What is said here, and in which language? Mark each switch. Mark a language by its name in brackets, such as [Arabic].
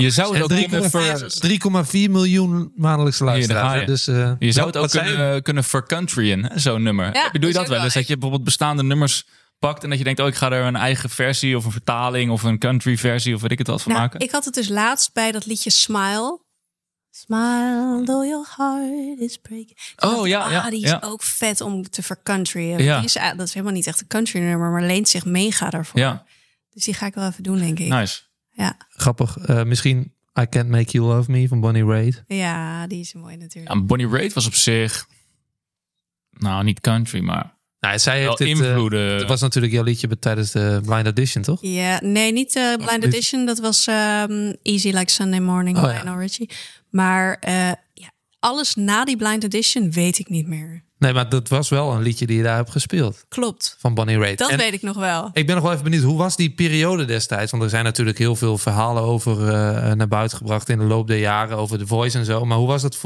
[Dutch] Je zou het ook 3,4 miljoen maandelijkse luisteraars. Ja, dus, je zou het ook kunnen voor country in, zo'n nummer. Ja, doe je dat wel eens? Dat je bijvoorbeeld bestaande nummers pakt en dat je denkt, oh, ik ga er een eigen versie of een vertaling of een country versie of weet ik het wat van maken. Ik had het dus laatst bij dat liedje Smile. [English] Smile though your heart is breaking. [Dutch] Die is ook vet om te vercountryen. Ja. Dat is helemaal niet echt een country nummer, maar leent zich mega daarvoor. Ja. Dus die ga ik wel even doen, denk ik. Nice. Ja. Grappig. Misschien I Can't Make You Love Me van Bonnie Raitt. Ja, die is mooi natuurlijk. Ja, Bonnie Raitt was op zich nou, niet country, maar nou, zij heeft dit, invloeden. Het was natuurlijk jouw liedje tijdens de Blind Audition, toch? Ja, nee, niet de Blind Audition. Dat was Easy Like Sunday Morning by Lionel Richie. Maar alles na die Blind Audition weet ik niet meer. Nee, maar dat was wel een liedje die je daar hebt gespeeld. Klopt. Van Bonnie Raitt. Dat en weet ik nog wel. Ik ben nog wel even benieuwd, hoe was die periode destijds? Want er zijn natuurlijk heel veel verhalen over naar buiten gebracht in de loop der jaren over The Voice en zo. Maar hoe was dat?